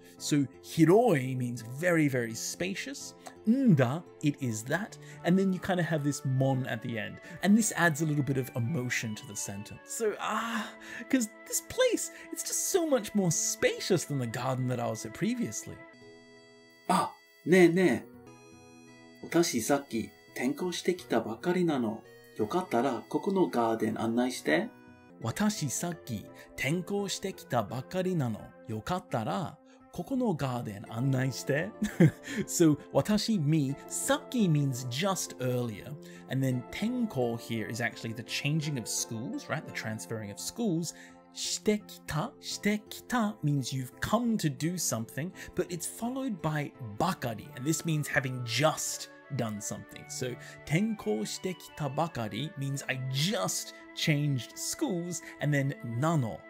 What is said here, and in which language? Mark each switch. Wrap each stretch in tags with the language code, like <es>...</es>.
<en>So, 広い means very, very spacious. んだ, it is that. And then you kind of have this mon at the end. And this adds a little bit of emotion to the sentence. So, because this place, it's just so much more spacious than the garden that I was at previously.</en> <ja>あ、ねえねえ。私さっき転校してきたばかりなの。よかったらここのガーデン案内して。私さっき転校してきたばかりなの。よかったらここのガーデン案内して。</ja> <en>So, 私 me, さっき means just earlier. And then 転校 here is actually the changing of schools, right? The transferring of schools. してきた、してきた means you've come to do something, but it's followed by ばかり. And this means having just done something. So,</en> <ja>転校してきたばかり</ja> <en>means I justchanged schools, and then nano.</en>